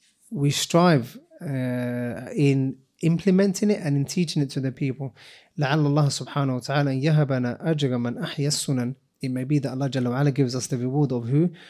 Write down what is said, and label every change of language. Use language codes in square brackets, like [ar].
[en] We strive in implementing it and in teaching it to the people. [ar] لعل الله سبحانه وتعالى يهبنا أجر من أحيى السنن. [en] It may be that Allah جل وعلا gives us the reward of who?